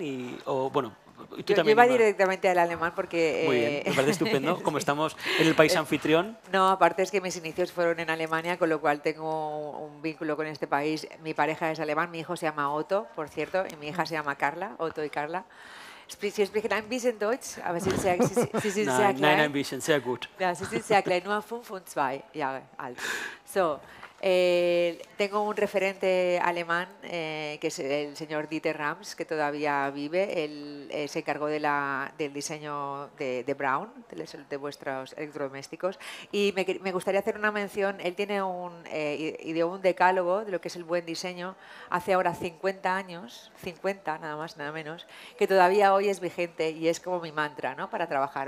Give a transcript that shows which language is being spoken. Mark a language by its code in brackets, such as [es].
[es] Yo iba directamente al alemán porque... Muy bien, me parece estupendo, como estamos en el país anfitrión. No, aparte es que mis inicios fueron en Alemania, con lo cual tengo un vínculo con este país. Mi pareja es alemán, mi hijo se llama Otto, por cierto, y mi hija se llama Carla, Otto y Carla. Si es que [de] ein bisschen Deutsch, aber sie sind sehr klein. Nein, ein bisschen, sehr gut. Ja, sie sind sehr klein, nur 5'2 Jahre alt. So... [es] tengo un referente alemán, que es el señor Dieter Rams, que todavía vive. Él se encargó del diseño de Braun, de vuestros electrodomésticos. Y me gustaría hacer una mención. Él tiene un decálogo de lo que es el buen diseño hace ahora 50 años, 50 nada más, nada menos, que todavía hoy es vigente y es como mi mantra, ¿no?, para trabajar.